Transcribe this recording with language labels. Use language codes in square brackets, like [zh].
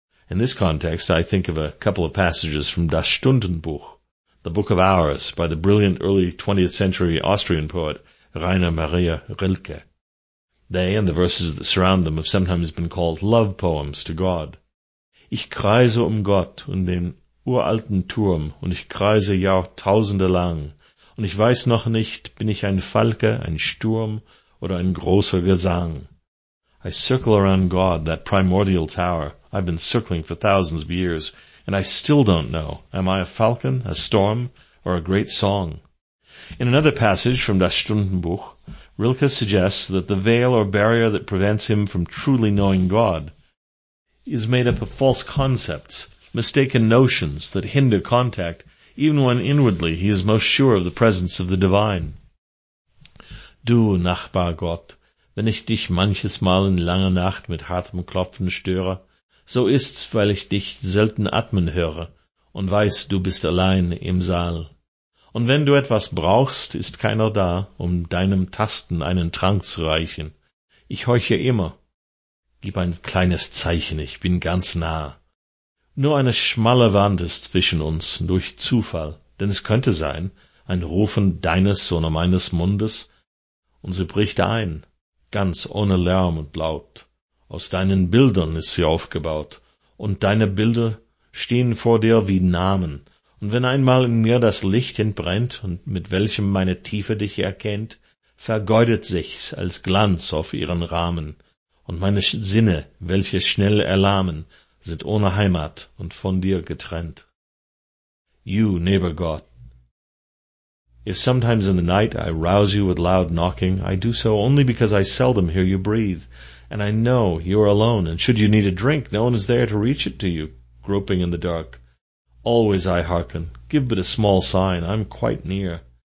[en] In this context, I think of a couple of passages from Das Stundenbuch, the Book of Hours, by the brilliant early 20th century Austrian poet Rainer Maria Rilke. They and the verses that surround them have sometimes been called love poems to God. [de] Ich kreise Gott und den uralten Turm, und ich kreise Jahrtausende lang, und ich weiß noch nicht, bin ich ein Falke, ein Sturm, oder ein großer Gesang. [en] I circle around God, that primordial tower. I've been circling for thousands of years, and I still don't know. Am I a falcon, a storm, or a great song? In another passage from Das Stundenbuch, Rilke suggests that the veil or barrier that prevents him from truly knowing God is made up of false concepts, mistaken notions that hinder contact, even when inwardly he is most sure of the presence of the divine. [de] Du, Nachbar Gott, wenn ich dich manches Mal in langer Nacht mit hartem Klopfen störe, so ist's, weil ich dich selten atmen höre und weiß, du bist allein im Saal. Und wenn du etwas brauchst, ist keiner da, um deinem Tasten einen Trank zu reichen. Ich horche immer. Gib ein kleines Zeichen, ich bin ganz nah. Nur eine schmale Wand ist zwischen uns durch Zufall, denn es könnte sein, ein Rufen deines oder meines Mundes, und sie bricht ein, ganz ohne Lärm und Laut. Aus deinen Bildern ist sie aufgebaut, und deine Bilder stehen vor dir wie Namen. Und wenn einmal in mir das Licht entbrennt und mit welchem meine Tiefe dich erkennt, vergeudet sich's als Glanz auf ihren Rahmen, und meine Sinne, welche schnell erlahmen, sind ohne Heimat und von dir getrennt. [en] You, neighbor God. If sometimes in the night I rouse you with loud knocking, I do so only because I seldom hear you breathe, and I know you are alone, and should you need a drink, no one is there to reach it to you, groping in the dark. Always I hearken. Give but a small sign. I'm quite near.